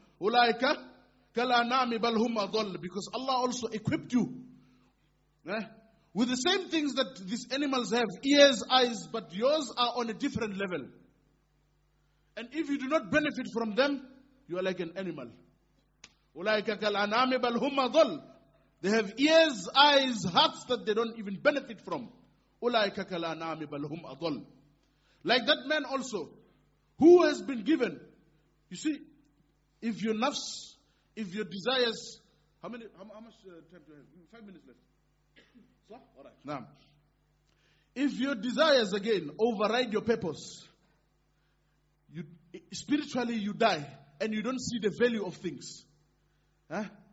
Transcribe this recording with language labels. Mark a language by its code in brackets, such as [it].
[ar] Ulaika, kala nami balhum adol. [en] Because Allah also equipped you with the same things that these animals have, ears, eyes, but yours are on a different level. And if you do not benefit from them, you are like an animal. [ar] أولئك كالأنعام بل هم أضل. [en] They have ears, eyes, hearts that they don't even benefit from. [ar] أولئك كالأنعام بل هم أضل. [en] Like that man also, who has been given. You see, if your nafs, if your desires, how much time do I have? 5 minutes left. So, all right. Now, if your desires again override your purpose, you spiritually you die and you don't see the value of things. Huh?